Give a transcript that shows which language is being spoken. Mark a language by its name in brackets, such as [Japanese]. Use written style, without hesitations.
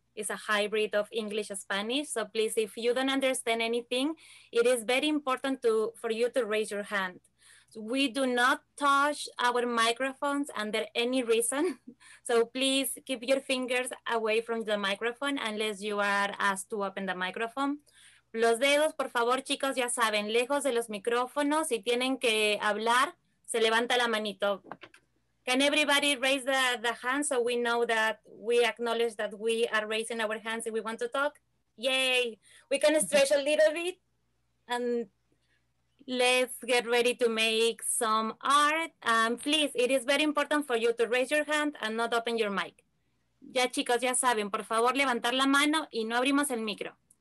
[English] It's a hybrid of English and Spanish. So please, if you don't understand anything, it is very important for you to raise your hand. We do not touch our microphones under any reason. So please keep your fingers away from the microphone unless you are asked to open the microphone. [Spanish] Los dedos, por favor, chicos, ya saben, lejos de los micrófonos. Si tienen que hablar, se levanta la manito. [English] Can everybody raise the hand so we know that we acknowledge that we are raising our hands if we want to talk? Yay! We can stretch a little bit and let's get ready to make some art. Please, it is very important for you to raise your hand and not open your mic. [Spanish] Ya, chicos, ya saben, por favor, levantar la mano y no abrimos el micro.